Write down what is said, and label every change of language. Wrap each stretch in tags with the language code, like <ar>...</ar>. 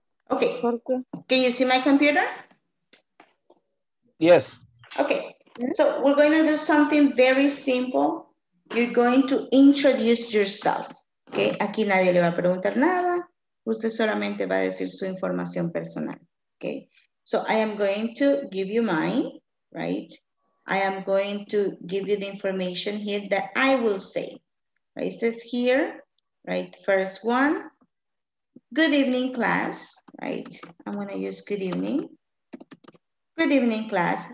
<en>Okay, can you see my computer? Yes. Okay, so we're going to do something very simple. You're going to introduce yourself.</en> <es>Okay, aquí nadie le va a preguntar nada. Usted solamente va a decir su información personal.</es> <en>Okay, so I am going to give you mine, right? I am going to give you the information here that I will say. Right? It says here, right, first one. Good evening, class, right? I'm gonna use good evening. Good evening, class.</en>